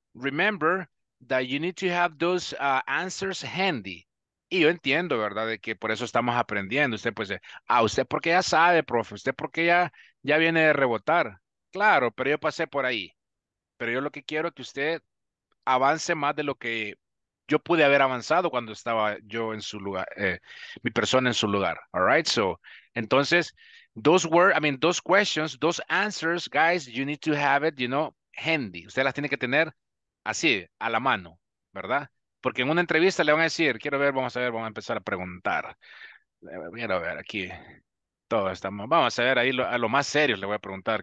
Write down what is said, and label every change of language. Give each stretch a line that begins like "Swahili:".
English: Remember that you need to have those answers handy.
Spanish: Y yo entiendo, ¿verdad? De que por eso estamos aprendiendo. Usted puede decir, usted porque ya sabe, profe. Usted porque ya viene de rebotar. Claro, pero yo pasé por ahí. Pero yo lo que quiero es que usted avance más de lo que yo pude haber avanzado cuando estaba yo en su lugar, mi persona en su lugar.
English: All right? So,
Spanish: entonces,
English: those questions, those answers, guys, you need to have it, you know, handy.
Spanish: Usted las tiene que tener así, a la mano, ¿verdad? Porque en una entrevista le van a decir, quiero ver, vamos a ver, vamos a empezar a preguntar. Quiero ver aquí. Todo está, vamos a ver ahí a lo más serio le voy a preguntar.